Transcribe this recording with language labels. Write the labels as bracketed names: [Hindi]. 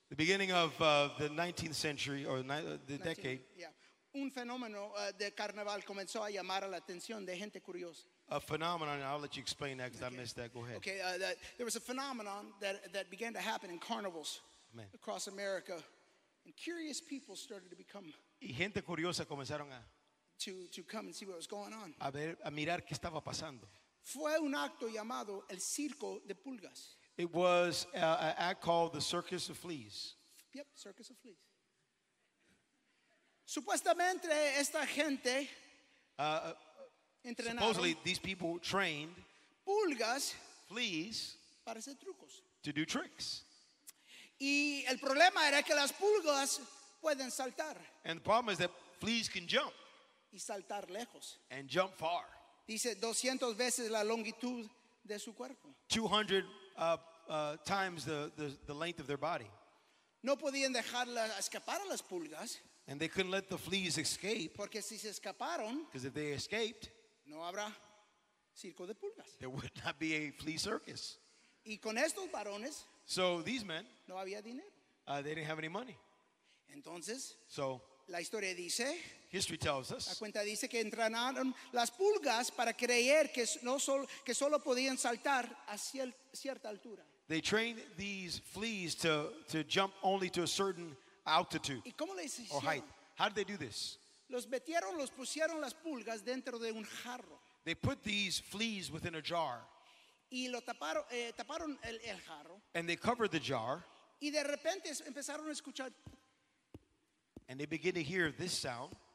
[English] The beginning of the 19th century or the decade. Yeah. [Spanish] Un fenómeno de carnaval comenzó a llamar a la atención de gente curiosa. [English] A phenomenon. I'll let you explain that because okay. I missed that. Go ahead. Okay. There was a phenomenon that began to happen in carnivals Amen. Across America, and curious people started to become. [Spanish] Y gente curiosa comenzaron a. [English] To come and see what was going on. [Spanish] A ver, a mirar qué estaba pasando. Fue un acto llamado el circo de pulgas. [English] It was an act called the Circus of Fleas. Yep, Circus of Fleas. [Spanish] Supuestamente esta gente entrenaron. [English] Supposedly these people trained [Spanish] pulgas, [English] fleas, [Spanish] para hacer trucos. [English] To do tricks. [Spanish] Y el problema era que las pulgas pueden saltar. [English] And the problem is that fleas can jump. [Spanish] Y saltar lejos. [English] And jump far. [Spanish] Dice 200 veces la longitud de su cuerpo. [English] 200 times the length of their body. [Spanish] No podían dejarla escapar a las pulgas. [English] And they couldn't let the fleas escape. [Spanish] Porque si se escaparon. [English] Because if they escaped. [Spanish] No habrá circo de pulgas. [English] There would not be a flea circus. [Spanish] Y con estos varones. [English] So these men. [Spanish] No había dinero. [English] they didn't have any money. [Spanish] Entonces, [English] so, [Spanish] la historia dice, [English] history tells us, [Spanish] la cuenta dice que entrenaron las pulgas para creer que no solo que solo podían saltar a cierta altura. [English] They trained these fleas to jump only to a certain altitude. [Spanish] ¿Y cómo les hicieron? [English] Or height. How did they do this? [Spanish] Los metieron, los pusieron las pulgas dentro de un jarro. [English] They put these fleas within a jar. [Spanish] Y lo taparon, taparon el jarro. [English] And they covered the jar. [Spanish] Y de repente empezaron a escuchar. [English] And they begin to hear this sound.